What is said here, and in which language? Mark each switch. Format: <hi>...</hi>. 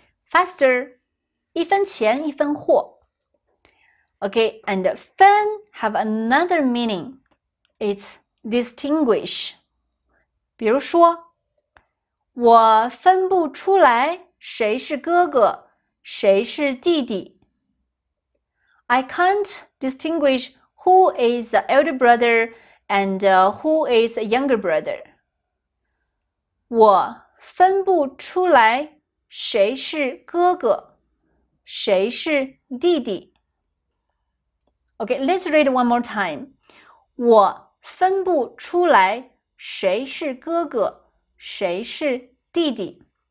<en>Faster,</en> <zh>一分钱，一分货。</zh> <en>Okay, and 分 have another meaning. It's distinguish.</en> <zh>比如说，我分不出来谁是哥哥，谁是弟弟。</zh> <en>I can't distinguish who is the elder brother and who is the younger brother.</en> <zh>我分不出来谁是哥哥，谁是弟弟。</zh> <en>Okay, let's read one more time.</en> <zh>我分不出来谁是哥哥，谁是弟弟。</zh>